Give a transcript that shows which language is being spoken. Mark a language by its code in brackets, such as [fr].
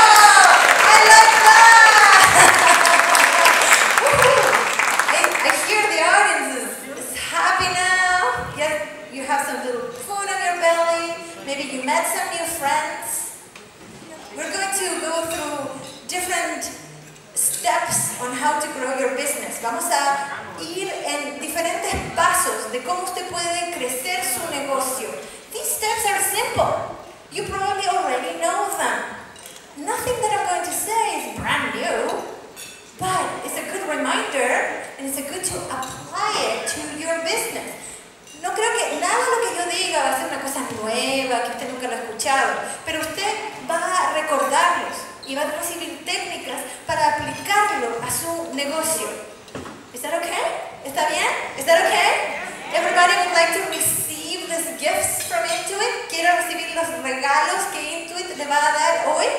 [en] I like that. I hear the audience is happy now. Yeah, you have some little food on your belly. Maybe you met some new friends. We're going to go through different steps on how to grow your business. [es] Vamos a ir en diferentes pasos de cómo usted puede crecer su negocio. [en] These steps are simple. You probably already know them. Nothing that I'm going to say is brand new, but it's a good reminder and it's a good to apply it to your business. [es] No creo que nada lo que yo diga va a ser una cosa nueva, que usted nunca lo ha escuchado, pero usted va a recordarlos y va a recibir técnicas para aplicarlo a su negocio. ¿Está bien? ¿Está bien? ¿Está bien? [en] Everybody would like to receive these gifts from Intuit. [es] ¿Quiere recibir los regalos que Intuit le va a dar hoy?